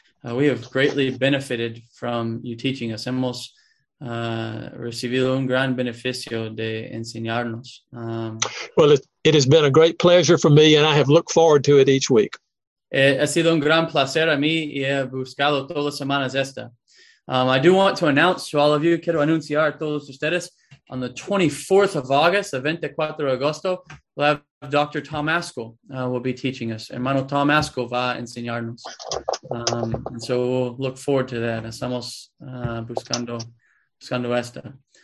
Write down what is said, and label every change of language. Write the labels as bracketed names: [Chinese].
[English] We have greatly benefited from you teaching us. [Spanish] Hemos recibido un gran beneficio de enseñarnos. [English] Well, it has been a great pleasure for me, and I have looked forward to it each week. [Spanish] Ha sido un gran placer a mí y he buscado todas las semanas esta. [English] I do want to announce to all of you, [Spanish] quiero anunciar a todos ustedes, [English] on the 24th of August, the [Spanish] 24 de agosto, [English] we'll have Dr. Tom Askell will be teaching us. [Spanish] Hermano Tom Askell va a enseñarnos. [English] And so we'll look forward to that. [Spanish] Estamos buscando esta.